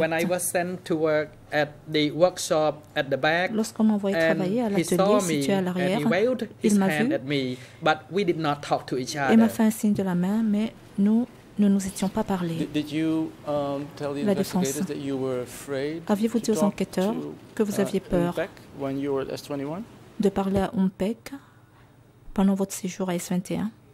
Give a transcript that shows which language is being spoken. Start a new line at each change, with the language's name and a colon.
English: When I was sent to work at the workshop at the back,
French: lorsqu'on m'envoyait travailler à l'atelier situé à l'arrière,
English: he waved his hand at me, but we did not talk to each other.
French: Il m'a fait un signe de la main, mais nous ne nous étions pas parlé.
English: Did you tell the investigators that you were afraid?
French: Aviez-vous dit aux enquêteurs que vous aviez peur
English: when you were at S21?
French: De parler à Umpec pendant votre séjour à S21?